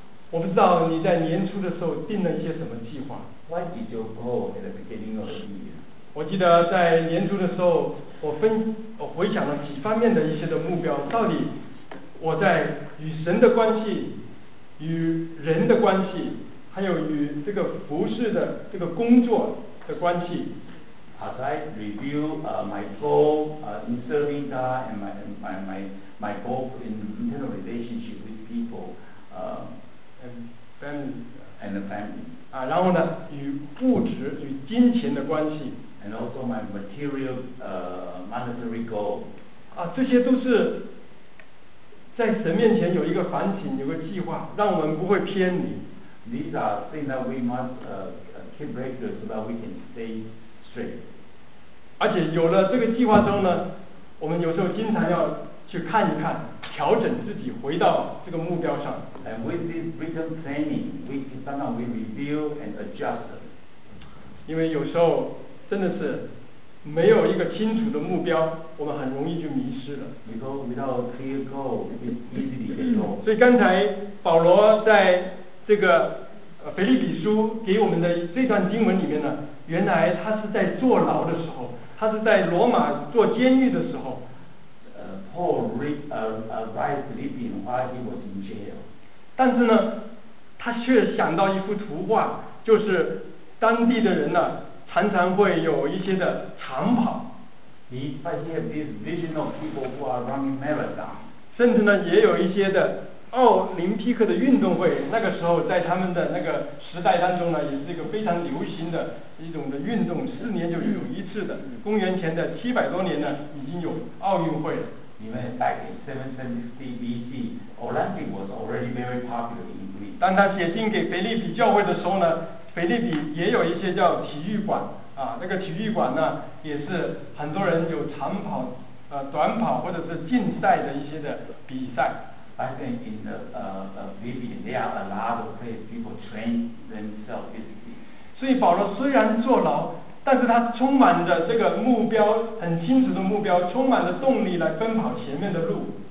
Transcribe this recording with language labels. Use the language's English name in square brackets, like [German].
[Chinese] 我不知道你在年初的时候定了一些什么计划。 [English] What did you go at the beginning of the year? [Chinese] 我记得在年初的时候，我回想了几方面的一些的目标，到底我在与神的关系、与人的关系，还有与这个服事的这个工作的关系。 [English] As I review my goal in serving God and my goal in internal relationship with people, and the family [Chinese] 然后呢，与物质与金钱的关系 [English] ，and also my material monetary goal [Chinese] 这些都是在神面前有一个反省，有个计划，让我们不会偏离。 [English] These are things that we must keep regular so that we can stay straight. [Chinese] 而且有了这个计划之后呢，我们有时候经常要去看一看。调整自己回到这个目标上。 [English] And with this written planning, we sometimes we review and adjust. [Chinese] 因为有时候真的是没有一个清楚的目标，我们很容易就迷失了。 [English] Because without a clear goal, it's easy to get lost. [Chinese] 所以刚才保罗在这个腓立比书给我们的这段经文里面呢，原来他是在坐牢的时候，他是在罗马坐监狱的时候。 [English] Paul arrived Philippians while he was in jail. [Chinese] 但是呢，他却想到一幅图画，就是当地的人呢，常常会有一些的长跑。 [English] He had this vision of people who are running marathon. [Chinese] 甚至呢，也有一些的奥林匹克的运动会，那个时候在他们的那个时代当中呢，也是一个非常流行的一种的运动，四年就有一次的。公元前的700多年呢，已经有奥运会了。 [English] Even back in 770 BC, Olympic was already very popular in Greece. [Chinese] 当他写信给腓立比教会的时候呢，腓立比也有一些叫体育馆啊，那个体育馆呢也是很多人有长跑、短跑或者是竞赛的一些的比赛。 [English] Back then in the Philippians, there are a lot of places people train themselves physically. [Chinese] 所以保罗虽然坐牢。但是他充满着这个目标，很清楚的目标，充满着动力来奔跑前面的路。